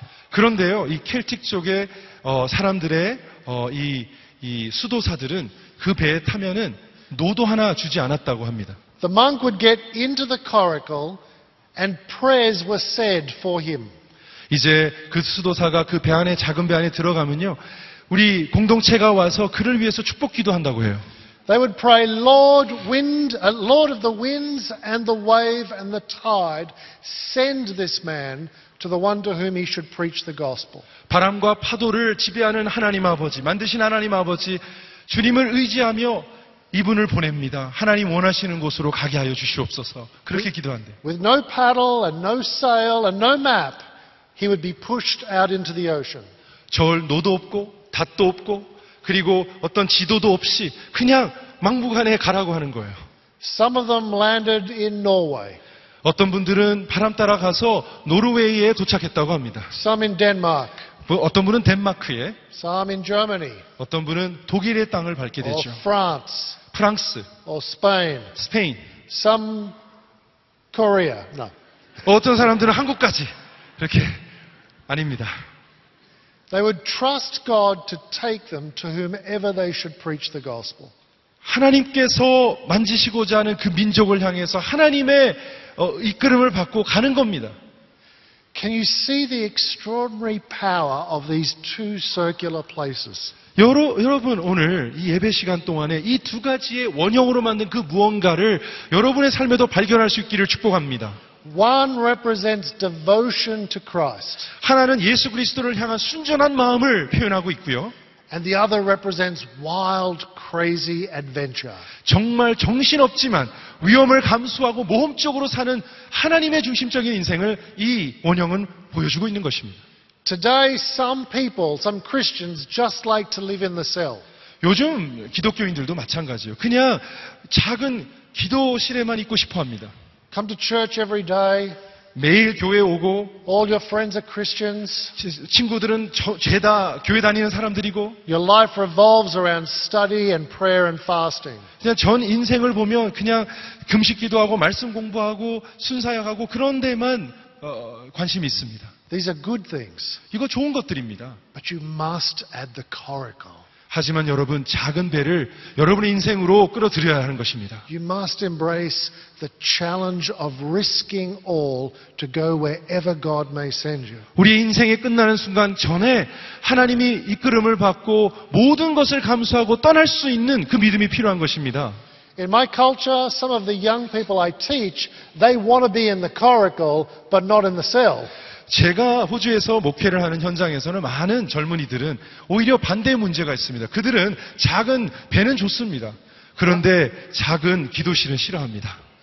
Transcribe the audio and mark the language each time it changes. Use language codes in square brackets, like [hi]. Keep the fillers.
[ko] 그런데요, 이 켈틱 쪽의 어, 사람들의 어, 이, 이 수도사들은 그 배에 타면은 노도 하나 주지 않았다고 합니다. [en] The monk would get into the coracle and prayers were said for him. [ko] 이제 그 수도사가 그 배 안에 작은 배 안에 들어가면요. 우리 공동체가 와서 그를 위해서 축복 기도한다고 해요. [en] They would pray, Lord, wind, Lord of the winds and the wave and the tide, send this man to the one to whom he should preach the gospel. [ko] 바람과 파도를 지배하는 하나님 아버지, 만드신 하나님 아버지, 주님을 의지하며 이분을 보냅니다. 하나님 원하시는 곳으로 가게 하여 주시옵소서. 그렇게 기도한대. [en] With no paddle and no sail and no map, he would be pushed out into the ocean. [ko] 절 노도 없고 닷도 없고 그리고 어떤 지도도 없이 그냥 막무가내 가라고 하는 거예요. [en] Some of them landed in Norway. [ko] 어떤 분들은 바람 따라 가서 노르웨이에 도착했다고 합니다. [en] Some in Denmark. 어떤 분은 덴마크에, Some in Germany. [ko] 어떤 분은 독일의 땅을 밟게 되죠. [en] Or France. 프랑스, or Spain, 스페인, some Korea. No. [ko] 어떤 사람들은 한국까지 이렇게 아닙니다. [en] They would trust God to take them to whomever they should preach the gospel. [ko] 하나님께서 만지시고자 하는 그 민족을 향해서 하나님의 어, 이끌음을 받고 가는 겁니다. [en] Can you see the extraordinary power of these two circular places? [ko] 여러, 여러분, 오늘 이 예배 시간 동안에 이 두 가지의 원형으로 만든 그 무언가를 여러분의 삶에도 발견할 수 있기를 축복합니다. 하나는 예수 그리스도를 향한 순전한 마음을 표현하고 있고요. And the o t 정말 정신없지만 위험을 감수하고 모험적으로 사는 하나님의 중심적인 인생을 이 원형은 보여주고 있는 것입니다. [en] Today, some people, some Christians just like to live in the cell. [ko] 요즘 기독교인들도 마찬가지예요. 그냥 작은 기도실에만 있고 싶어 합니다. [en] Come to church every day. 매일 교회 오고 All your friends are Christians. [ko] 친구들은 저, 죄다 교회 다니는 사람들이고 your life revolves around study and prayer and fasting. 그냥 전 인생을 보면 그냥 금식 기도하고 말씀 공부하고 순사역하고 그런 데만 어, 관심이 있습니다. [en] These are good things. 이거 좋은 것들입니다. But you must add the coracle. [ko] 하지만 여러분 작은 배를 여러분의 인생으로 끌어들여야 하는 것입니다. [en] You must embrace the challenge of risking all to go wherever God may send you. [ko] 우리 인생이 끝나는 순간 전에 하나님이 이끌음을 받고 모든 것을 감수하고 떠날 수 있는 그 믿음이 필요한 것입니다. [en] In my culture, some of the young people I teach, they want to be in the coracle, but not in the cell. [ko] 제가 호주에서 목회를 하는 현장에서는 많은 젊은이들은 오히려 반대의 문제가 있습니다. 그들은 작은 배는 좋습니다. 그런데 작은 기도실은 싫어합니다.